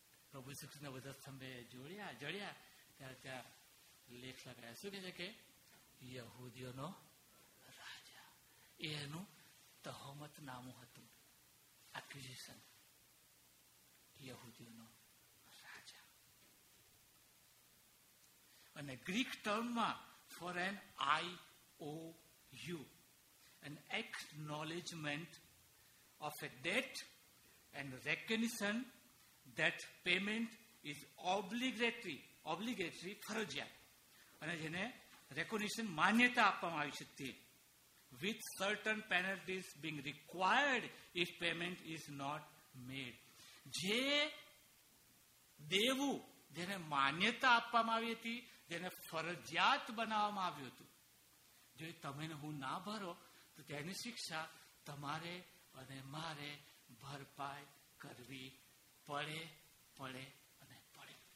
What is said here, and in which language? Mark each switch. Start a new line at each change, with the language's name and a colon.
Gujarati: પ્રભુ શ્રી કૃષ્ણ વધસ્તંભે જોડ્યા જડ્યા ત્યારે ત્યાં લેખ લગાવ્યા. શું કહે છે કે યહૂદીઓનો રાજા, એનું તહમત નામું હતું એક્યુઝિશન, યહૂદીઓનો રાજા. અને ગ્રીક ટર્મમાં
English: for an IOU, an acknowledgement of a debt and recognition that payment is obligatory, obligatory ફરજિયાત,
Gujarati: અને જેને રેકોગ્નિશન માન્યતા આપવામાં આવી છે
English: તે, with certain penalties being required if payment is not made.
Gujarati: જે દેવું જેને માન્યતા આપવામાં આવી હતી, જેને ફરજિયાત બનાવવામાં આવ્યું હતું, જો એ તમે ને હું ના ભરો તો તેની શિક્ષા તમારે અને મારે ભરપાઈ કરવી પડે, પડે અને પડે.